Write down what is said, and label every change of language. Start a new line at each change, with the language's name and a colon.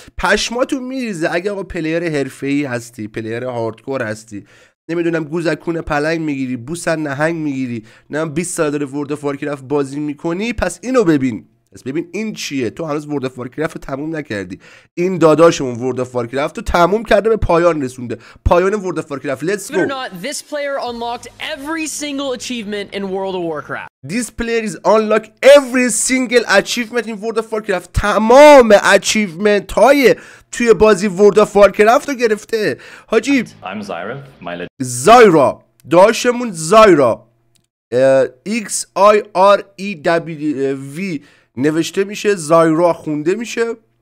Persian: پشماتون می‌ریزه اگه آقا پلیر حرفه‌ای هستی، پلیر هاردکور هستی، نمیدونم گوزکون پلنگ میگیری، بوسن نهنگ میگیری، نه 20 سال داره World of Warcraft بازی میکنی، پس اینو ببین. پس ببین این چیه، تو هنوز World of Warcraft رو تموم نکردی. این داداشمون World of Warcraft رو تموم کرده، به پایان رسونده، پایان World of Warcraft.
English: Let's go. This player unlocked every single achievement in World of Warcraft. This player is unlocked every single achievement in World of Warcraft.
Persian: تمام achievement های توی بازی World of Warcraft رو گرفته. حاجی
English: I'm Zyra. My legend. Zyra.
Persian: داداشمون
English: Zyra.
Persian: XIREW نوشته میشه، زایرا خونده میشه.